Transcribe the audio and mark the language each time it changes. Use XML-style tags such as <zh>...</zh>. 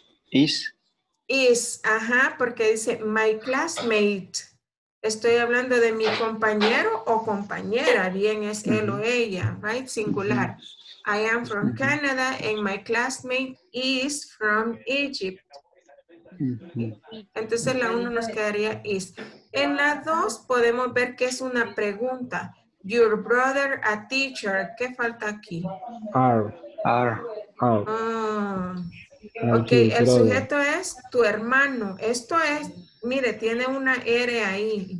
<en>Is.</en> <es>Is, ajá, porque dice my classmate. Estoy hablando de mi compañero o compañera, bien es él o ella, right?</es> <en>Singular. I am from Canada and my classmate is from Egypt.</en> <es>Entonces la uno nos quedaría is. En la dos podemos ver que es una pregunta.</es> <en>Your brother a teacher. ¿Qué falta aquí? Are.</en> <es>Ok, el sujeto es tu hermano. Esto es, mire, tiene una R ahí.</es>